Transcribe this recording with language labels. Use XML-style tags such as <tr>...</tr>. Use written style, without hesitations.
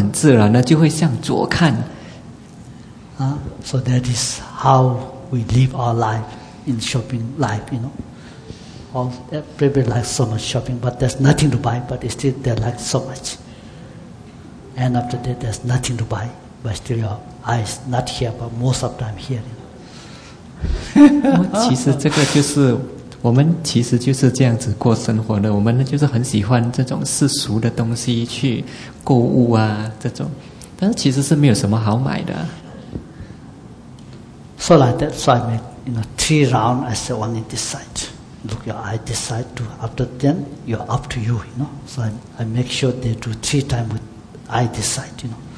<zh>虽然师父是这么说，但是左边商店的诱惑实在是太强了，所以我们很自然的就会向左看。</zh> <en>So that is how we live our life in shopping life, you know. All everybody likes so much shopping, but there's nothing to buy, but still they like so much. And after that there's nothing to buy, but still your eyes not here, but most of time here.</en> <zh>其实这个就是我们其实就是这样子过生活的，我们就是很喜欢这种世俗的东西去购物啊这种，但其实是没有什么好买的。</zh> <en>So like that, so I make, you know, three rounds, I say only this side. Look your eye this side too. After them, you're up to you, you know. So I make sure they do three times with eye this side, you know.</en>